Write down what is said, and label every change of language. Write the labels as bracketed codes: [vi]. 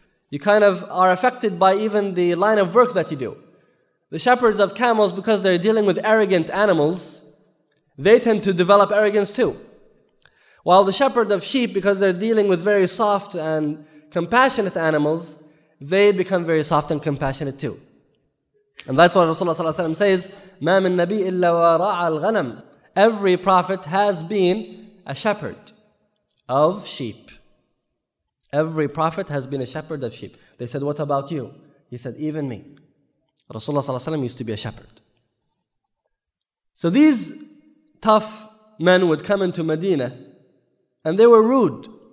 [en] You kind of are affected by even the line of work that you do. The shepherds of camels, because they're dealing with arrogant animals, they tend to develop arrogance too. While the shepherd of sheep, because they're dealing with very soft and compassionate animals, they become very soft and compassionate too. And that's what Rasulullah ﷺ says, [ar] مَا مِن نَبِي إِلَّا وَرَعَ الْغَنَمِ. [en] Every prophet has been a shepherd of sheep. Every prophet has been a shepherd of sheep. They said, what about you? He said, even me. Rasulullah ﷺ used to be a shepherd. So these tough men would come into Medina and they were rude.